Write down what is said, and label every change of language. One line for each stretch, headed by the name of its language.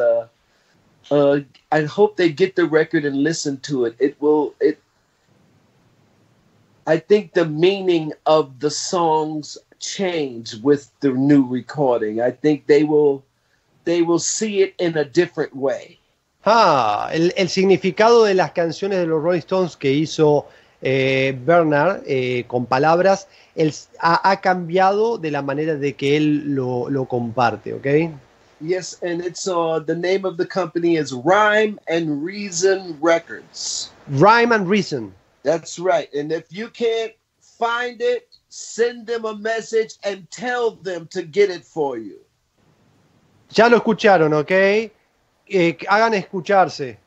English: I hope they get the record and listen to it. I think the meaning of the songs change with the new recording. I think they will see it in a different way.
Spanish: El significado de las canciones de los Rolling Stones que hizo Bernard con palabras, él ha cambiado de la manera de que él lo comparte, ¿okay?
English: Yes, and it's the name of the company is Rhyme and Reason Records. Rhyme and Reason. That's right. And if you can't find it, send them a message and tell them to get it for you.
Spanish: Ya lo escucharon, okay? Hagan escucharse.